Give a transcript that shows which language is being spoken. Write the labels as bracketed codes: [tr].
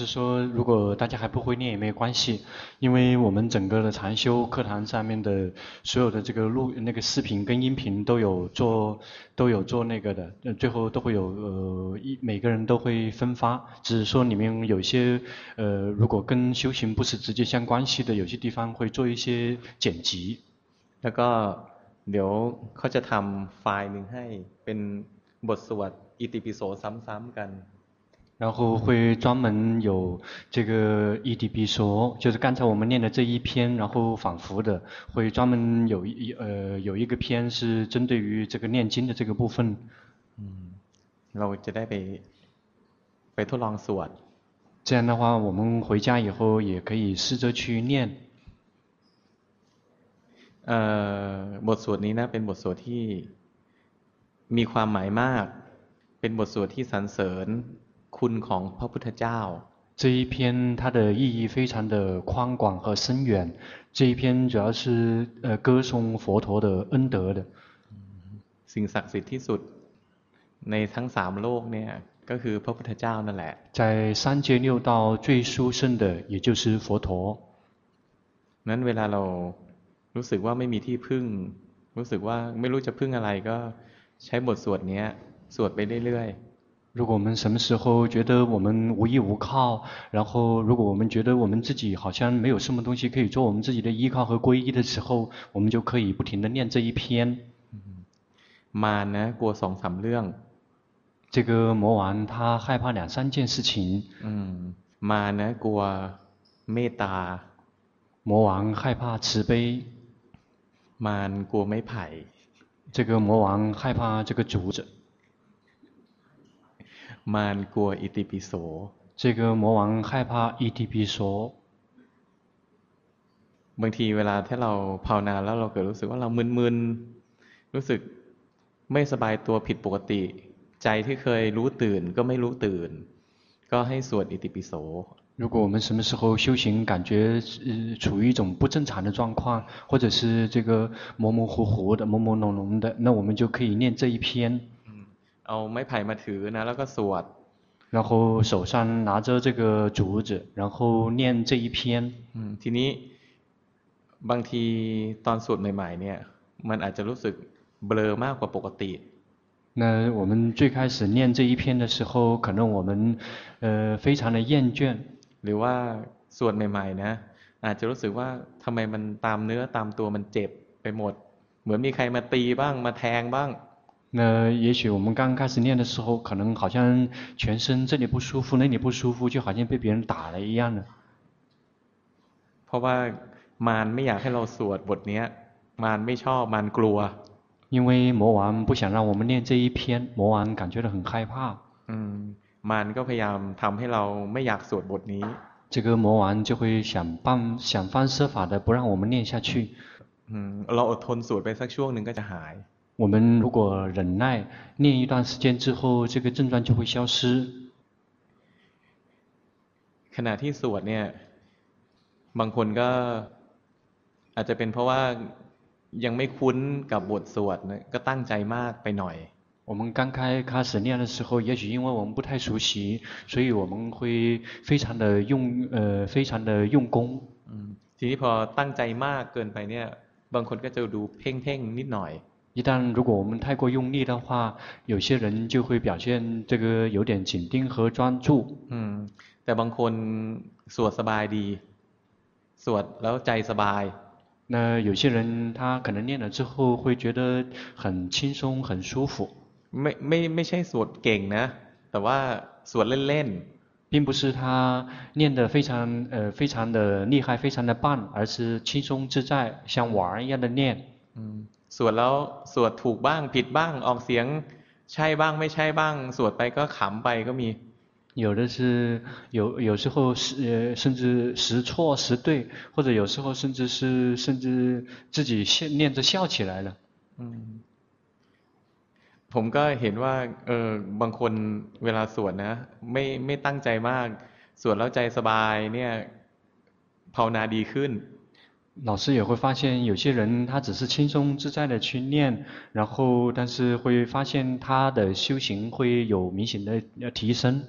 [zh] 老师说如果大家还不会念也没关系因为我们整个的禅修课堂上面的所有的这个录那个视频跟音频都有做那个的最后都会有每个人都会分发只是说里面有些如果跟修行不是直接相关系的有些地方会做一些剪辑 [th] แล้วก็เดี๋ยวเขาจะทำไฟล์หนึ่งให้เป็นบทสวดอิติปิโสซ้ำๆกัน [zh] 然后会专门有这个 EDB 说，就是刚才我们念的这一篇，然后反复的会专门有有一个篇是针对于这个念经的这个部分。嗯，那我就得被拖浪死完。这样的话，我们回家以后也可以试着去念。 [th] บทสวดนี้นะเป็นบทสวดที่มีความหมายมากเป็นบทสวดที่สรรเสริญคุณของพระพุทธเจ้า [zh] 这一篇它的意义非常的宽广和深远这一篇主要是歌颂佛陀的恩德的 [th] สิ่งศักดิ์สิทธิ์ที่สุดในทั้งสามโลกเนี่ยก็คือพระพุทธเจ้านั่นแหละ [zh] 在三界六道最殊胜的也就是佛陀 [th] นั้นเวลาเรารู้สึกว่าไม่มีที่พึ่งรู้สึกว่าไม่รู้จะพึ่งอะไรก็ใช้บทสวดนี้สวดไปเรื่อย [zh] ๆ如果我们什么时候觉得我们无依无靠然后如果我们觉得我们自己好像没有什么东西可以做我们自己的依靠和皈依的时候我们就可以不停地念这一篇 [th] มารนะกลัวสองสามเรื่อง [zh] 这个魔王他害怕两三件事情 [th] มารนะกลัวเมตตา [zh] 魔王害怕慈悲 [th] มารกลัวไม้ไผ่ [zh] 这个魔王害怕这个竹子 [th] มารกลัวอิติปิโส [zh] 这个魔王害怕อิติปิโส [th] บางทีเวลาที่เราภาวนาแล้วเราเกิดรู้สึกว่าเรามึนๆรู้สึกไม่สบายตัวผิดปกติใจที่เคยรู้ตื่นก็ไม่รู้ตื่นก็ให้สวดอิติปิโส [zh] 如果我们什么时候修行感觉处于一种不正常的状况或者是这个模模糊糊的朦朦胧胧的那我们就可以念这一篇 [th] เอาไม้ไผ่มาถือนะแล้วก็สวด [zh] 然后手上拿着这个竹子然后念这一篇 [th] ทีนี้บางทีตอนสวดใหม่ๆเนี่ยมันอาจจะรู้สึกเบลอมากกว่าปกติ [zh] 那我们最开始念这一篇的时候可能我们非常的厌倦 [th] หรือว่าสวดใหม่ๆนะอาจจะรู้สึกว่าทำไมมันตามเนื้อตามตัวมันเจ็บไปหมดเหมือนมีใครมาตีบ้างมาแทงบ้าง [zh] 那也许我们刚开始念的时候可能好像全身这里不舒服那里不舒服就好像被别人打了一样的 [th] เพราะว่ามารไม่อยากให้เราสวดบทนี้มารไม่ชอบมารกลัว [zh] 因为魔王不想让我们念这一篇魔王感觉到很害怕 [th] มันก็พยายามทำให้เราไม่อยากสวดบทนี้ [zh] 这个魔王就会想方设法的不让我们念下去 [th] เราอดทนสวดไปสักช่วงหนึ่งก็จะหาย [zh] 我们如果忍耐念一段时间之后这个症状就会消失 [th] ขณะที่สวดเนี่ยบางคนก็อาจจะเป็นเพราะว่ายังไม่คุ้นกับบทสวดก็ตั้งใจมากไปหน่อย [zh] 我们刚开始念的时候也许因为我们不太熟悉所以我们会非常的用功 [th] ทีนี้พอตั้งใจมากเกินไปเนี่ยบางคนก็จะดูเพ่งๆนิดหน่อย [zh] 一旦如果我们太过用力的话有些人就会表现这个有点紧盯和专注 [th] แต่บางคนสวดสบายดีสวดแล้วใจสบาย [zh] 那有些人他可能念了之后会觉得很轻松很舒服 [th] ไม่ใช่สวดเก่งนะแต่ว่าสวดเล่น [zh] ๆ并不是他念得非常的厉害非常的棒而是轻松自在像玩一样的念 [th] สวดแล้วสวดถูกบ้างผิดบ้างออกเสียงใช่บ้างไม่ใช่บ้างสวดไปก็ขำไปก็มี [zh] 有的是有时候甚至时错时对或者有时候甚至自己念着笑起来了 [th] ผมก็เห็นว่าบางคนเวลาสวดนะไม่ตั้งใจมากสวดแล้วใจสบายเนี่ยภาวนาดีขึ้น [zh] 老师也会发现有些人他只是轻松自在的去念然后但是会发现他的修行会有明显的提升